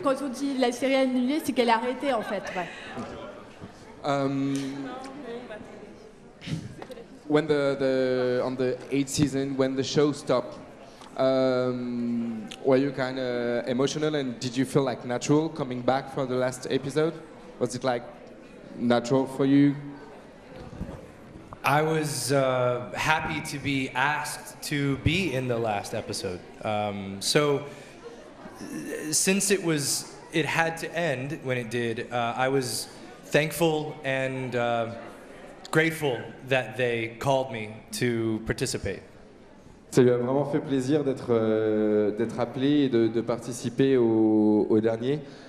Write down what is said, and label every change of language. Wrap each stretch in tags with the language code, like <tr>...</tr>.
<fr>Quand on dit la série annulée, c'est qu'elle a arrêté en fait. Ouais.</fr> <en>When the eighth season, when the show stopped, were you kind of emotional, and did you feel like natural coming back for the last episode? Was it like natural for you? I was happy to be asked to be in the last episode. So since it had to end when it did, I was thankful and grateful that they called me to participate.</en> <fr>Ça lui a vraiment fait plaisir d'être appelé et de participer au dernier.</fr>